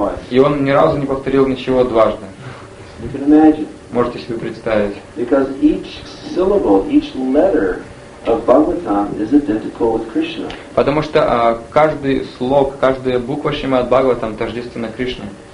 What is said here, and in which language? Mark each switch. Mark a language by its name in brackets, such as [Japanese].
[Russian] И он ни разу не повторил ничего дважды. Можете себе представить. [English] Because each syllable, each letter of Bhagavatam is identical with Krishna. [Russian] Потому что каждый слог, каждая буква Шримад Бхагаватам тождественна Кришне.